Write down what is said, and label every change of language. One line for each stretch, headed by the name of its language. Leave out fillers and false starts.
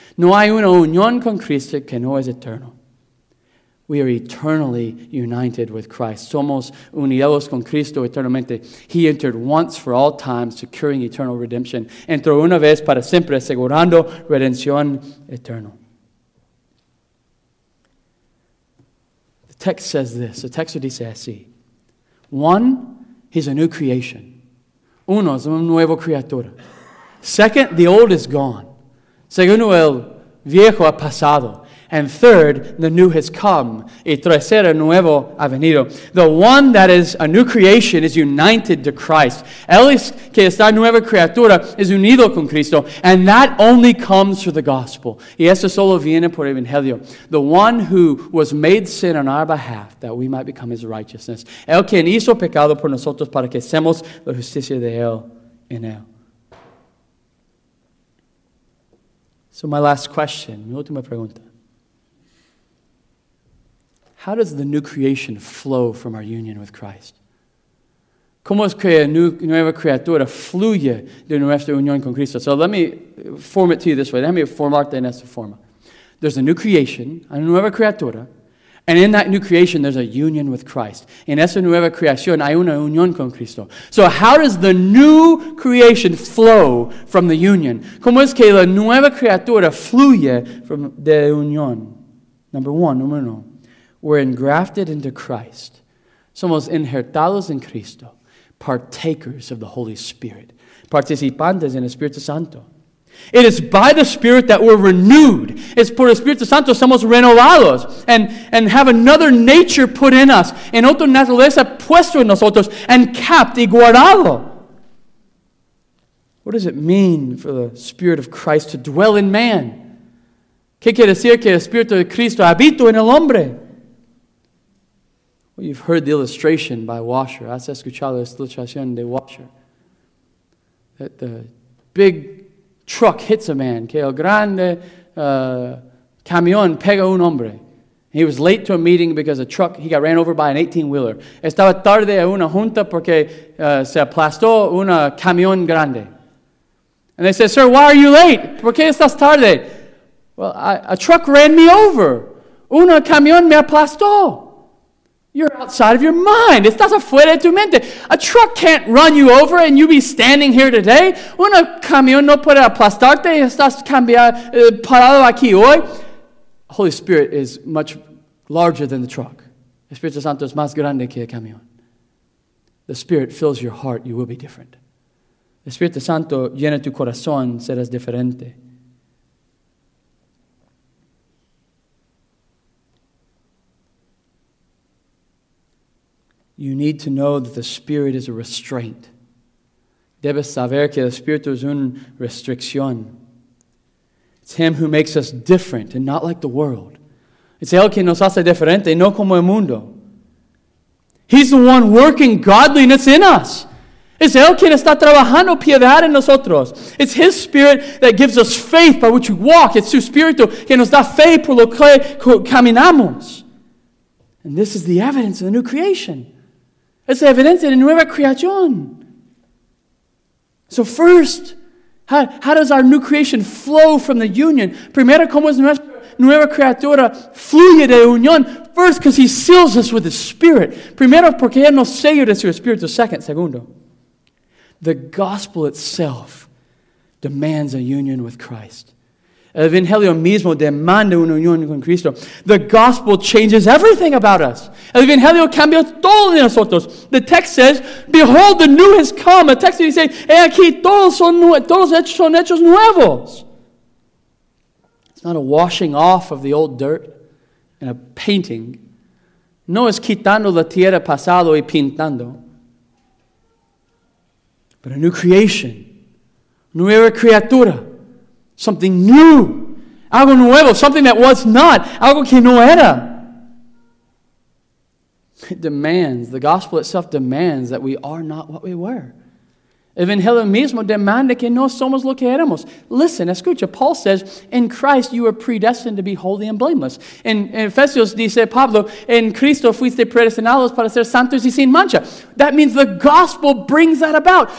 Spanish: No hay una unión con Cristo que no es eternal.
English: We are eternally united with Christ.
Spanish: Somos unidos con Cristo eternamente.
English: He entered once for all time, securing eternal redemption.
Spanish: Entró una vez para siempre, asegurando redención eterna.
English: The text says this. The text
Spanish: dice así.
English: One, he's a new creation.
Spanish: Uno, es una nueva criatura.
English: Second, the old is gone.
Spanish: Segundo, el viejo ha pasado.
English: And third, the new has come.
Spanish: Y tercero, nuevo ha venido.
English: The one that is a new creation is united to Christ.
Spanish: El que está nueva criatura es unido con Cristo.
English: And that only comes through the gospel.
Spanish: Y eso solo viene por el Evangelio.
English: The one who was made sin on our behalf that we might become his righteousness.
Spanish: El quien hizo pecado por nosotros para que seamos la justicia de él en él.
English: So my last question,
Spanish: mi última pregunta.
English: How does the new creation flow from our union with Christ?
Spanish: ¿Cómo es que nueva criatura fluye de nuestra unión con Cristo?
English: So let me form it to you this way. Let me
Spanish: formarte en esta forma.
English: There's a new creation, a
Spanish: nueva criatura,
English: and in that new creation, there's a union with Christ.
Spanish: En esa nueva creación hay una unión con Cristo.
English: So how does the new creation flow from the union?
Spanish: ¿Cómo es que la nueva criatura fluye from de unión?
English: Number one,
Spanish: número uno.
English: We're engrafted into Christ. Somos injertados en Cristo. Partakers of the Holy Spirit.
Spanish: Participantes en el Espíritu Santo.
English: It is by the Spirit that we're renewed. It's
Spanish: por el Espíritu Santo somos renovados.
English: And have another nature put in us.
Spanish: En otra naturaleza puesto en nosotros. And capt y guardado.
English: What does it mean for the Spirit of Christ to dwell in man?
Spanish: ¿Qué quiere decir que el Espíritu de Cristo habita en el hombre?
English: You've heard the illustration by washer.
Spanish: Has escuchado la ilustración de washer.
English: That the big truck hits a man.
Spanish: Que el grande camión pega un hombre.
English: He was late to a meeting because a truck, he got ran over by an 18-wheeler.
Spanish: Estaba tarde a una junta porque se aplastó un camión grande.
English: And they said, sir, why are you late?
Spanish: ¿Por qué estás tarde?
English: Well, a truck ran me over.
Spanish: Un camión me aplastó.
English: You're outside of your mind.
Spanish: Estás afuera de tu mente.
English: A truck can't run you over and you be standing here today.
Spanish: Un camión no puede aplastarte. Estás parado aquí hoy.
English: Holy Spirit is much larger than the truck.
Spanish: Espíritu Santo es más grande que el camión.
English: The Spirit fills your heart. You will be different.
Spanish: Espíritu Santo llena tu corazón. Serás diferente.
English: You need to know that the Spirit is a restraint.
Spanish: Debes saber que el Espíritu es una restricción.
English: It's Him who makes us different and not like the world.
Spanish: It's Él quien nos hace diferente, no como el mundo.
English: He's the one working godliness in us.
Spanish: It's Él quien está trabajando piedad en nosotros.
English: It's His Spirit that gives us faith by which we walk. It's
Spanish: Su Espíritu que nos da fe por lo que caminamos.
English: And this is the evidence of the new creation.
Spanish: Es evidencia de nueva creación.
English: So first, how does our new creation flow from the union?
Spanish: Primero, ¿cómo es nuestra nueva criatura fluye de unión?
English: First, because He seals us with His Spirit.
Spanish: Primero, porque Él nos selló de su Espíritu.
English: Segundo, the gospel itself demands a union with Christ.
Spanish: El Evangelio mismo demanda una unión con Cristo.
English: The gospel changes everything about us.
Spanish: El Evangelio cambia todo en nosotros.
English: The text says, behold, the new has come. The text says,
Spanish: he aquí, todos son hechos nuevos.
English: It's not a washing off of the old dirt and a painting.
Spanish: No es quitando la tierra pasado y pintando.
English: But a new creation.
Spanish: Nueva criatura.
English: Something new,
Spanish: algo nuevo,
English: something that was not,
Spanish: algo que no era.
English: The gospel itself demands that we are not what we were.
Spanish: Evangelio mismo demanda que no somos lo que éramos.
English: Listen, escucha, Paul says, in Christ you were predestined to be holy and blameless.
Spanish: In Ephesians dice Pablo, en Cristo fuiste predestinados para ser santos y sin mancha.
English: That means the gospel brings that about.